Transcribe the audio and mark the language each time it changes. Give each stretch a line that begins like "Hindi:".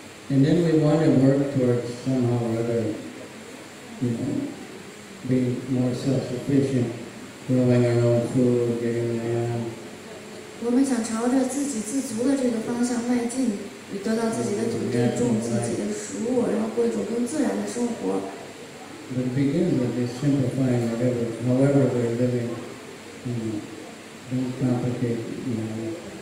English: And then we want to work towards somehow or other, you know, being more self-sufficient, growing our own food, getting land.
Chinese: 我们想朝着自己自足的这个方向迈进，以得到自己的土地，种自己的食物，然后过一种更自然的生活。
English: But it begins with this simplifying that however we're living. Don't complicate, you know.